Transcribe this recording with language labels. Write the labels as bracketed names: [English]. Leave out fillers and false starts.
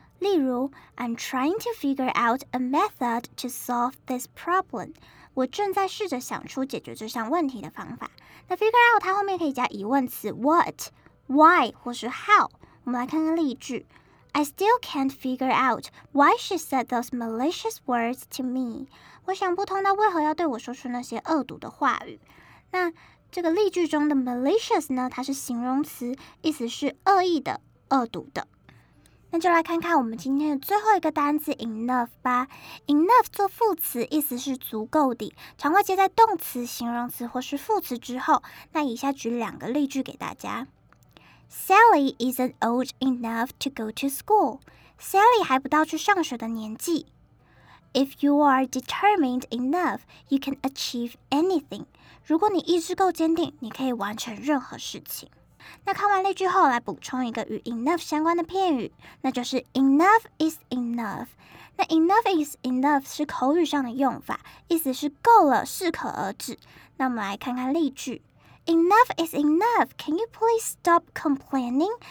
[Chinese] 例如 [English] ，I'm trying to figure out a method to solve this problem。 [Chinese] 我正在试着想出解决这项问题的方法。那 figure out 它后面可以加疑问词 what、why 或是 how。我们来看看例句 [English] ：I still can't figure out why she said those malicious words to me。 [Chinese] 我想不通他为何要对我说出那些恶毒的话语。那这个例句中的 malicious 呢，它是形容词，意思是恶意的、恶毒的。那就来看看我们今天的最后一个单字 enough 吧。 enough 做副词，意思是足够的，常会接在动词、形容词或是副词之后。那以下举两个例句给大家。 [English] Sally isn't old enough to go to school. [Chinese] Sally 还不到去上学的年纪。 [English] If you are determined enough, you can achieve anything. [Chinese] 如果你意志够坚定，你可以完成任何事情。那看完例句后，来补充一个与 enough 相关的片语，那就是 [English] enough is enough。 [Chinese] 那 [English] enough is enough [Chinese] 是口语上的用法，意思是够了，适可而止。那我们来看看例句。 [English] Enough is enough. Can you please stop complaining?